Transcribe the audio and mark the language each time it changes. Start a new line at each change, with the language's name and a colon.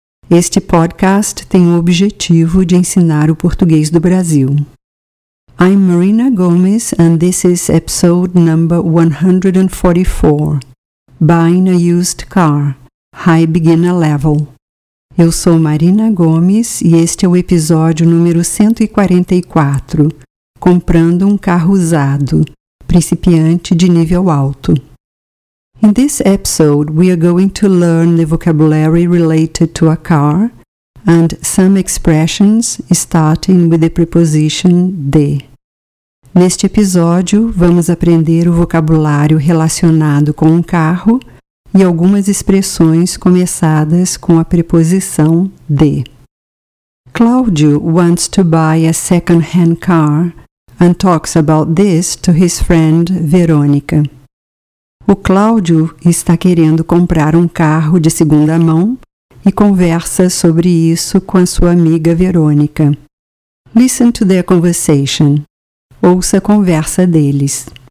Portuguese: Este podcast tem o objetivo de ensinar o português do Brasil.
English: I'm Marina Gomes and this is episode number 144. Buying a used car. High beginner level.
Portuguese: Eu sou Marina Gomes e este é o episódio número 144. Comprando um carro usado, principiante de nível alto.
English: In this episode, we are going to learn the vocabulary related to a car and some expressions starting with the preposition de.
Portuguese: Neste episódio, vamos aprender o vocabulário relacionado com um carro e algumas expressões começadas com a preposição de.
English: Cláudio wants to buy a second-hand car and talks about this to his friend Verônica.
Portuguese: O Cláudio está querendo comprar um carro de segunda mão e conversa sobre isso com a sua amiga Verônica.
English: Listen to their conversation.
Portuguese: Ouça a conversa deles.